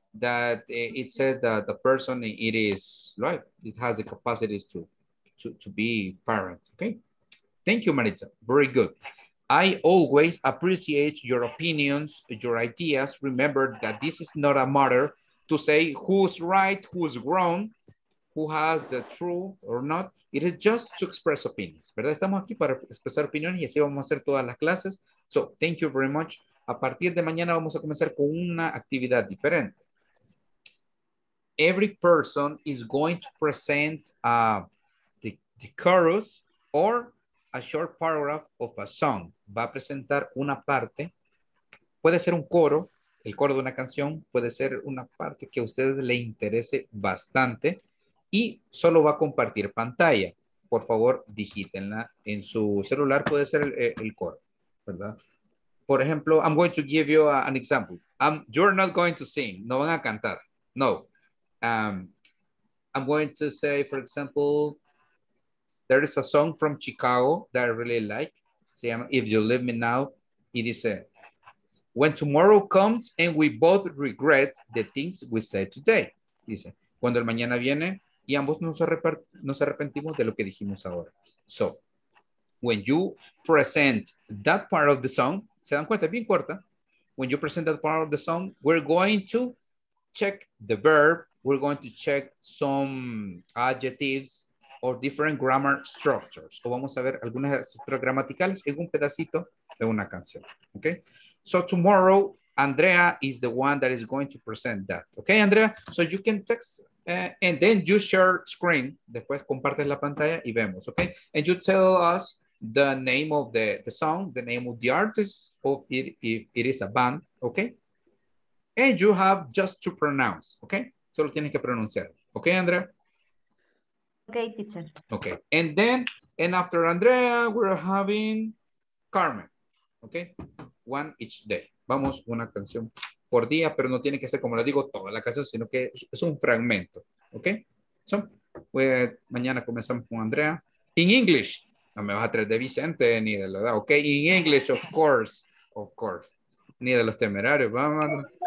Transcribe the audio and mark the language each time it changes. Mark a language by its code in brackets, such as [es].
[en] That it says that the person it is right, it has the capacities to be parent. Okay. Thank you, Maritza. Very good. I always appreciate your opinions, your ideas. Remember that this is not a matter to say who's right, who's wrong, who has the truth or not. It is just to express opinions, ¿verdad? [es] Estamos aquí para expresar opiniones y así vamos a hacer todas las clases. [en] So, thank you very much. [es] A partir de mañana vamos a comenzar con una actividad diferente. [en] Every person is going to present the chorus or a short paragraph of a song. [es] Va a presentar una parte. Puede ser un coro, el coro de una canción. Puede ser una parte que a ustedes le interese bastante. Y solo va a compartir pantalla. Por favor, digítenla en su celular. Puede ser el coro, ¿verdad? Por ejemplo, [en] I'm going to give you an example. You're not going to sing. [es] No van a cantar. No. [en] I'm going to say, for example, there is a song from Chicago that I really like. See, If You Leave Me Now, it is a, when tomorrow comes and we both regret the things we said today. [es] Dice, cuando el mañana viene y ambos nos arrepentimos de lo que dijimos ahora. [en] So, when you present that part of the song, [es] se dan cuenta, es bien corta. [en] When you present that part of the song, we're going to check the verb. We're going to check some adjectives or different grammar structures. [es] O vamos a ver algunas estructuras gramaticales en un pedacito de una canción. [en] Okay? So tomorrow, Andrea is the one that is going to present that. Okay, Andrea? So you can text and then you share screen. [es] Después compartes la pantalla y vemos. [en] Okay? And you tell us the name of the song, the name of the artist, or if it is a band. Okay? And you have just to pronounce. Okay? [es] Solo tienes que pronunciar. [en] Okay, Andrea? Okay, teacher. Okay. And then, and after Andrea, we're having Carmen. Okay? One each day. [es] Vamos, una canción por día, pero no tiene que ser, como le digo, toda la canción, sino que es un fragmento. Okay? So, mañana comenzamos con Andrea. [en] In English. [es] No me vas a traer de Vicente, ni de la edad. [en] Okay? In English, of course. Of course. [es] Ni de los temerarios. Vamos.